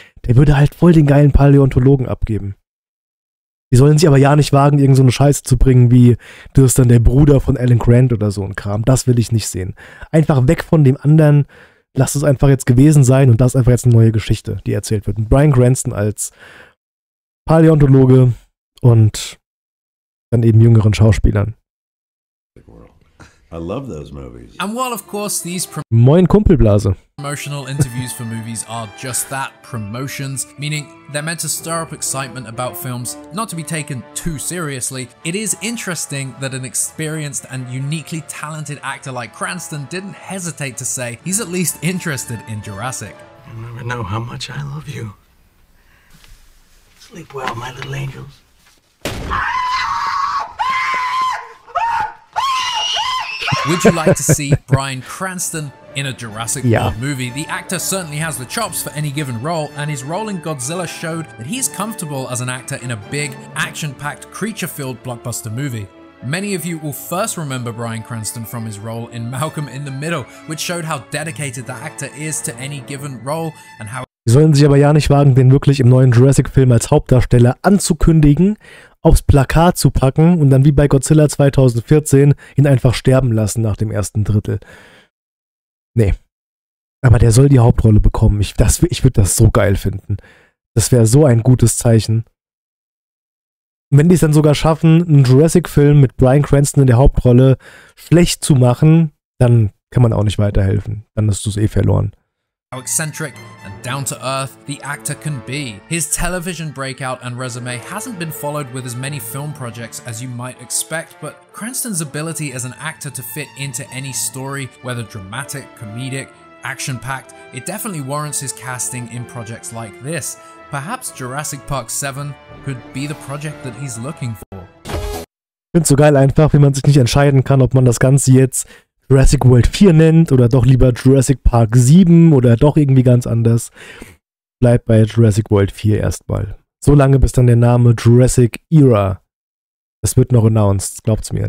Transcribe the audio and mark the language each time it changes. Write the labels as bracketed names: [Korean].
[German] Der würde halt voll den geilen Paläontologen abgeben. Die sollen sich aber ja nicht wagen, irgend so eine Scheiße zu bringen wie, du bist dann der Bruder von Alan Grant oder so ein Kram. Das will ich nicht sehen. Einfach weg von dem anderen. Lass es einfach jetzt gewesen sein und das ist einfach jetzt eine neue Geschichte, die erzählt wird. Bryan Cranston als Paläontologe und dann eben jüngeren Schauspielern. [English] I love those movies. And while of course these [German] Moin Kumpelblase. [English] Promotional interviews for movies are just that, promotions, meaning they're meant to stir up excitement about films, not to be taken too seriously. It is interesting that an experienced and uniquely talented actor like Cranston didn't hesitate to say he's at least interested in Jurassic. You'll never know how much I love you. Sleep well, my little angels. Would you like to see Bryan Cranston in a Jurassic World movie? The actor certainly has the chops for any given role, and his role in Godzilla showed that he's comfortable as an actor in a big, action-packed, creature-filled blockbuster movie. Many of you will first remember Bryan Cranston from his role in Malcolm in the Middle, which showed how dedicated the actor is to any given role and how. [German] Sie sollen sich aber ja nicht wagen, den wirklich im neuen Jurassic-Film als Hauptdarsteller anzukündigen. Aufs Plakat zu packen und dann wie bei Godzilla 2014 ihn einfach sterben lassen nach dem ersten Drittel. Nee. Aber der soll die Hauptrolle bekommen. Ich würde das so geil finden. Das wäre so ein gutes Zeichen. Wenn die es dann sogar schaffen, einen Jurassic-Film mit Bryan Cranston in der Hauptrolle schlecht zu machen, dann kann man auch nicht weiterhelfen. Dann hast du es eh verloren. [English] How eccentric and down-to-earth the actor can be. His television breakout and resume hasn't been followed with as many film projects as you might expect, but Cranston's ability as an actor to fit into any story, whether dramatic, comedic, action-packed, it definitely warrants his casting in projects like this. Perhaps Jurassic Park 7 could be the project that he's looking for. [German] Ich find's so geil einfach, wie man sich nicht entscheiden kann, ob man das Ganze jetzt Jurassic World 4 nennt oder doch lieber Jurassic Park 7 oder doch irgendwie ganz anders, bleibt bei Jurassic World 4 erstmal. So lange, bis dann der Name Jurassic Era, das wird noch announced, glaubt's mir.